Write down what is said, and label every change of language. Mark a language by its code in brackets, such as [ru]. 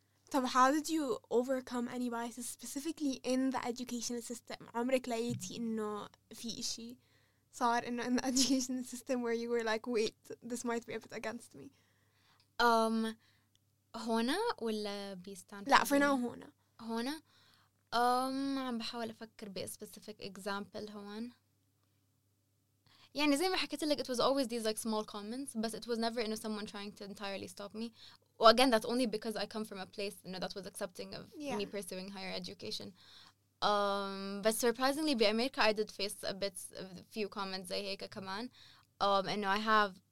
[en] طب how did you overcome any biases specifically in the educational system? [ar] عمرك لقيتي إنه في إشي صار إنه [en] in the education system where you were like, wait, this might be a bit against me. [ar] هنا ولا بستانفورد؟ لا, [en] for now, [ar] هنا. هنا؟ عم بحاول أفكر بـ [en] specific example [ar] هون. زي ما حكيت لك, [en] it was always these like small comments, but it was never someone trying to entirely stop me. Well, again, that's only because I come from a place that was accepting of me pursuing higher education. But surprisingly, [ar] بأمريكا [en] I did face a few comments [ar] زي هيك كمان. [en] I have